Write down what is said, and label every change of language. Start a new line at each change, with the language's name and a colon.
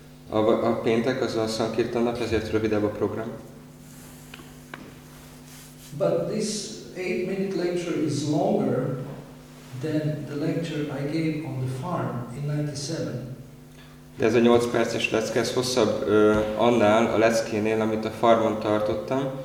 Hungarian: A péntek az a Sankirtan nap, ezért rövidebb a program.
English: But this 8 minute lecture is longer than the lecture I gave on the farm in 97.
Hungarian: De ez a 8 perces lecke, ez hosszabb annál a leckénél, amit a farmon tartottam.